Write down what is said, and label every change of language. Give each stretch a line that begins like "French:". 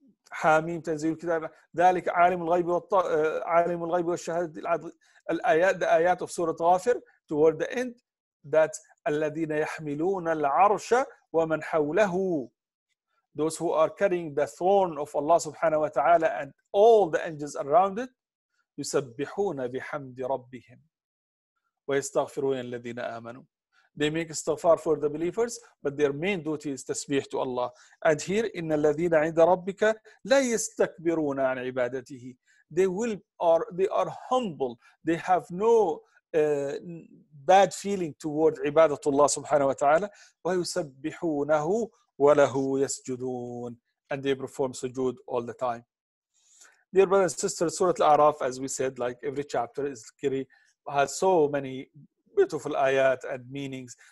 Arabic: حاميم تنزيل الكتاب ذلك عالم الغيب عالم الغيب والشهادة الآيات
English: the آيات of سورة غافر toward the end that
Arabic: الذين يحملون العرش ومن حوله
English: those who are carrying the throne of Allah subhanahu wa ta'ala and all the angels around it
Arabic: يسبحون بحمد ربهم ويستغفرون الذين آمنوا
English: They make istighfar for the believers, but their main duty is tasbih to Allah.
Arabic: And here, إِنَّ الَّذِينَ عِنْدَ رَبِّكَ لَا يَسْتَكْبِرُونَ عَنْ عِبَادَتِهِ
English: They are humble. They have no bad feeling toward عبادتullah subhanahu wa ta'ala.
Arabic: وَيُسَبِّحُونَهُ وَلَهُ يَسْجُدُونَ
English: And they perform sujood all the time. Dear brothers and sisters, Surah Al-A'raf, as we said, like every chapter is has so many beautiful ayat and meanings.